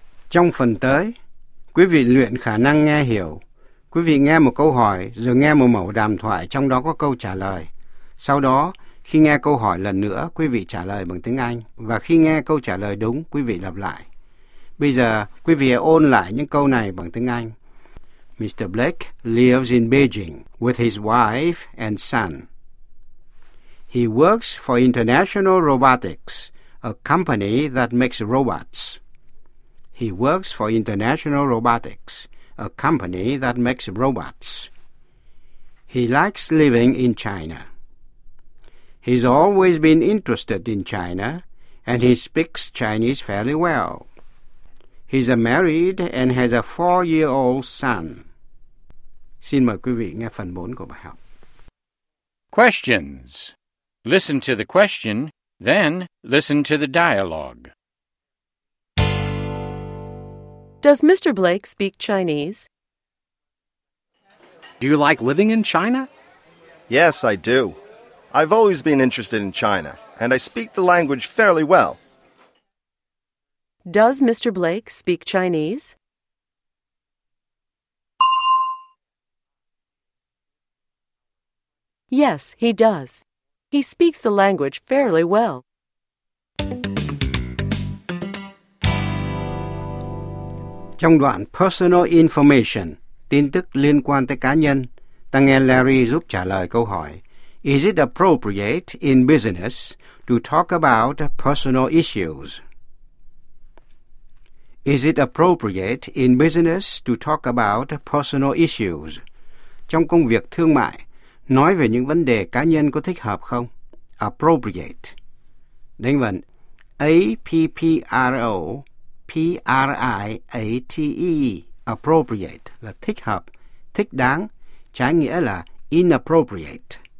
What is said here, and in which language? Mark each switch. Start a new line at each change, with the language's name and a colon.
Vietnamese: Trong phần tới, quý vị luyện khả năng nghe hiểu. Quý vị nghe một câu hỏi, rồi nghe một mẫu đàm thoại trong đó có câu trả lời. Sau đó, khi nghe câu hỏi lần nữa, quý vị trả lời bằng tiếng Anh. Và khi nghe câu trả lời đúng, quý vị lặp lại. Bây giờ, quý vị hãy ôn lại những câu này bằng tiếng Anh.
English: Mr. Blake lives in Beijing with his wife and son. He works for International Robotics, a company that makes robots. He works for International Robotics, a company that makes robots. He likes living in China. He's always been interested in China, and he speaks Chinese fairly well. He's married and has a 4-year-old son.
Vietnamese: Xin mời quý vị nghe phần 4 của bài học.
English: Questions. Listen to the question, then listen to the dialogue. Does Mr. Blake speak Chinese? Do you like living in China? Yes, I do. I've always been interested in China, and I speak the language fairly well. Does Mr. Blake speak Chinese? Yes, he does. He speaks the language fairly well.
Vietnamese: Trong đoạn Personal Information, tin tức liên quan tới cá nhân, ta nghe Larry giúp trả lời câu hỏi.
English: Is it appropriate in business to talk about personal issues? Is it appropriate in business to talk about personal issues?
Vietnamese: Trong công việc thương mại, nói về những vấn đề cá nhân có thích hợp không? Appropriate. Đánh vần APPROPRIATE. Appropriate là thích hợp, thích đáng, trái nghĩa là inappropriate.